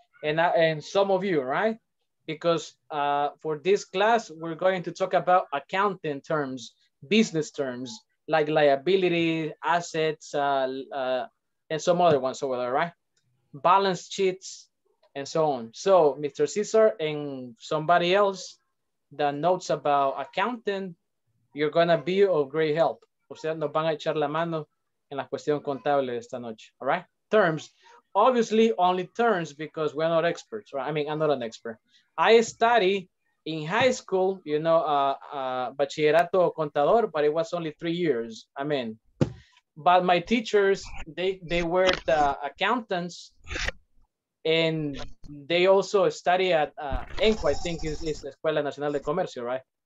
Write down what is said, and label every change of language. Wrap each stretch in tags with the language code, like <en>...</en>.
<en>And some of you, right? Because for this class, we're going to talk about accounting terms, business terms, like liability, assets, and some other ones over there, right? Balance sheets, and so on. So Mr. Cesar and somebody else that knows about accounting, you're gonna be of great help.</en> <es>Ustedes nos van a echar la mano en la cuestión contable de esta noche,</es> <en>all right? Terms. Obviously, only terms because we're not experts, right? I mean, I'm not an expert. I study in high school, you know, bachillerato contador, but it was only 3 years. I mean, but my teachers, they were the accountants, and they also study at ENCO, I think is Escuela Nacional de Comercio, right?</en>